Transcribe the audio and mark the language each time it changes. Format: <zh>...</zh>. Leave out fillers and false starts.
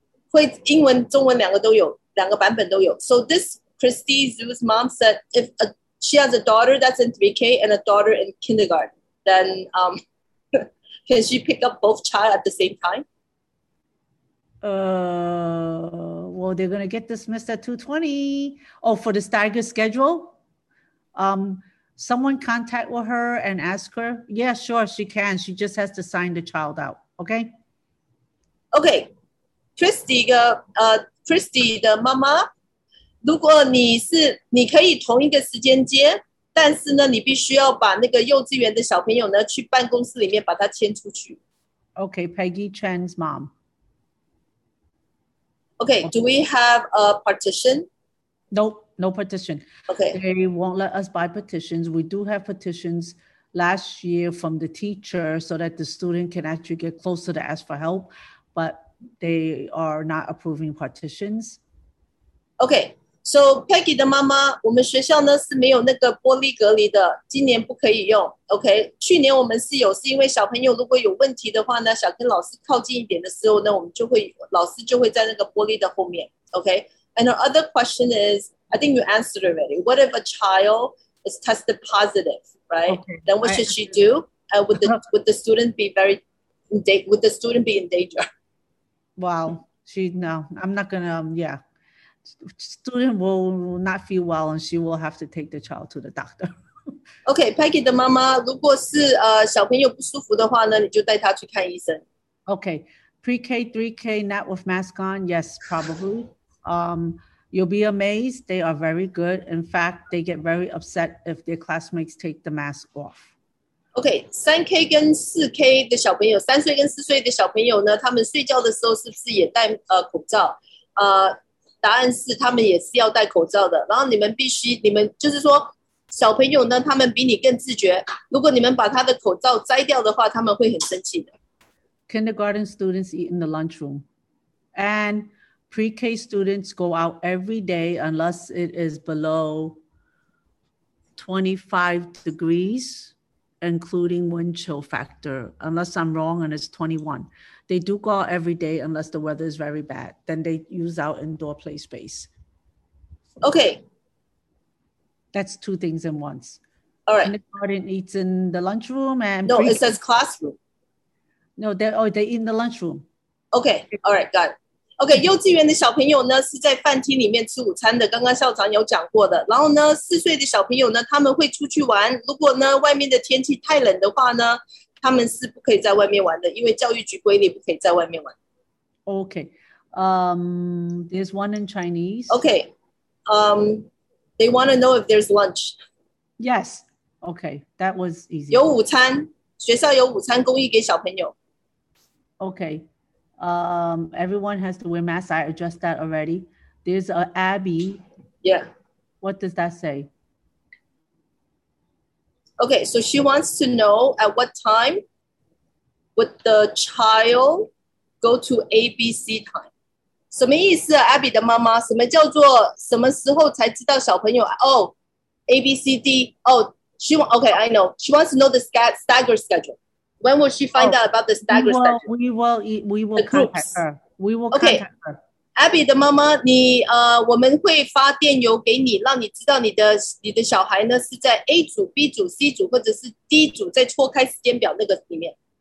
<zh>会英文、中文两个都有，两个版本都有。</zh> <en>So this Christy Zhu's mom said if she has a daughter that's in 3K and a daughter in kindergarten, then can she pick up both child at the same time? Well, they're going to get dismissed at 2:20. Oh, for the staggered schedule? someone contact with her and ask her? Yeah, sure, she can. She just has to sign the child out, okay?</en> <zh>Okay, Christy 的妈妈，如果你是，你可以同一个时间接，但是呢，你必须要把那个幼稚园的小朋友呢，去办公室里面把他牵出去。</zh> <en>Okay, Peggy Chan's mom. Okay, do we have a partition? Nope, no partition. Okay. They won't let us buy partitions. We do have partitions last year from the teacher so that the student can actually get closer to ask for help, but they are not approving partitions.</en> <zh>Okay, so Peggy 的妈妈，我们学校呢是没有那个玻璃隔离的，今年不可以用。 Okay, 去年我们是有，是因为小朋友如果有问题的话呢，想跟老师靠近一点的时候呢，我们就会，老师就会在那个玻璃的后面。</zh> <en>Okay, and our other question is, I think you answered already. What if a child is tested positive, right? Okay, then what should she do? And would the student be very, would the student be in danger? Wow, she, no, I'm not gonna, yeah. Student will not feel well and she will have to take the child to the doctor.</en> <zh>Okay, Peggy 的妈妈，如果是小朋友不舒服的话呢，你就带他去看医生。</zh> <en>Okay, pre-K, 3K, not with mask on, yes, probably. You'll be amazed, they are very good. In fact, they get very upset if their classmates take the mask off.</en> <zh>Okay, 3K 跟 4K 的小朋友，三岁跟四岁的小朋友呢，他们睡觉的时候是不是也戴口罩？答案是他们也是要戴口罩的，然后你们必须，你们就是说小朋友呢，他们比你更自觉，如果你们把他的口罩摘掉的话，他们会很生气的。</zh> <en>Kindergarten students eat in the lunchroom and pre-K students go out every day unless it is below 25 degrees including wind chill factor, unless I'm wrong and it's 21. They do go out every day unless the weather is very bad. Then they use out indoor play space. Okay. That's two things in once. All right. Kindergarten eats in the lunchroom and... No, it says classroom. No, they eat in the lunchroom. Okay. All right. Got it. Okay.</en> <zh>幼稚园的小朋友呢是在饭厅里面吃午餐的，刚刚校长有讲过的。然后呢，四岁的小朋友呢，他们会出去玩。如果呢，外面的天气太冷的话呢，他们是不可以在外面玩的，因为教育局规定不可以在外面玩。</zh> <en>Okay, there's one in Chinese. Okay, they want to know if there's lunch. Yes. Okay, that was easy.</en> <zh>有午餐，学校有午餐供应给小朋友。</zh> <en>Okay, everyone has to wear masks. I addressed that already. There's a Abby. Yeah. What does that say? Okay, so she wants to know at what time would the child go to ABC time?</en> <zh>什么意思啊 ，Abby 的妈妈？什么叫做什么时候才知道小朋友？</zh> <en>哦 ，A B C D。Oh, she want. Okay, I know. She wants to know the stagger schedule. When will she find out about the stagger schedule? We will contact her. We will contact her.</en> <zh>Abby 的妈妈，你我们会发电邮给你，让你知道你的小孩呢是在 A 组、B 组、C 组或者是 D 组，在错开时间表那个里面。</zh>